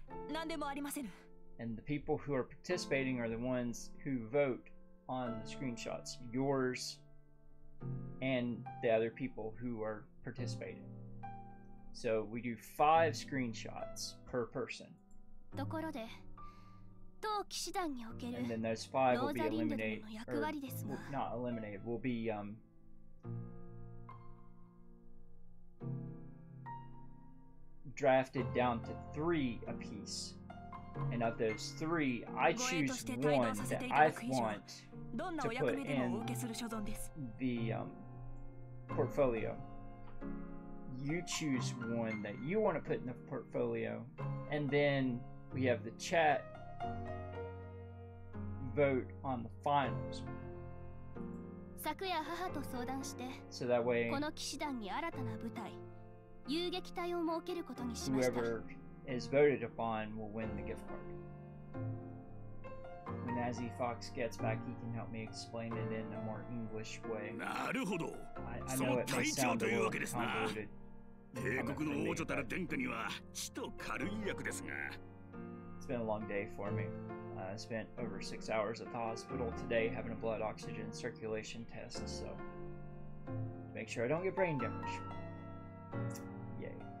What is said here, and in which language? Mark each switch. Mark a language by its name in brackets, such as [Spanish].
[English] And the people who are participating are the ones who vote on the screenshots, yours and the other people who are participating. So we do five screenshots per person. [Japanese] ところで、当騎士団におけるローザリンデの役割ですが、 [English] not eliminated, will be, drafted down to three apiece. And of those three, I choose one that I want to put in the, portfolio. You choose one that you want to put in the portfolio, and then... We have the chat vote on the finals. [Japanese] 昨夜母と相談して、 [English] so that way, [Japanese] この騎士団に新たな部隊、遊撃隊を設けることにしました。 [English] Whoever is voted upon will win the gift card. When Azzy Fox gets back, he can help me explain it in a more English way. [Japanese] なるほど。 [English] I know it may sound a little convoluted. [Japanese] 帝国の王女たら殿下には、ちと軽い役ですが。 [English] It's been a long day for me. I spent over 6 hours at the hospital today having a blood oxygen circulation test, so make sure I don't get brain damage. Yay.